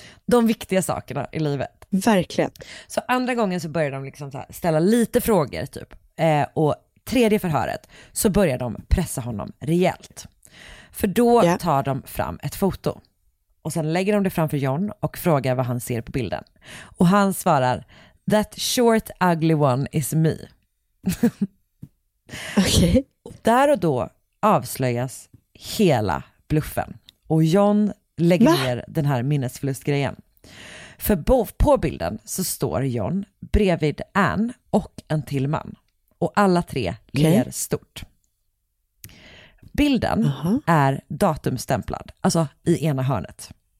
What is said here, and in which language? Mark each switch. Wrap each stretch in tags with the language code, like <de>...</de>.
<sv>De viktiga sakerna i livet. Verkligen. Så andra gången så börjar de liksom så här, ställa lite frågor typ. Och tredje förhöret så börjar de pressa honom rejält. För då tar de fram ett foto. Och sen lägger de det framför John och frågar vad han ser på bilden.</sv> <en>Och han svarar, that short ugly one is me.</en> <sv>Okej.</sv> <en>Okay.</en> <sv>Där och då avslöjas hela bluffen. Och John lägger ner den här minnesförlustgrejen. För på bilden så står John bredvid Ann och en till man. Och alla tre ler stort. Bilden är datumstämplad, alltså i ena hörnet.</sv>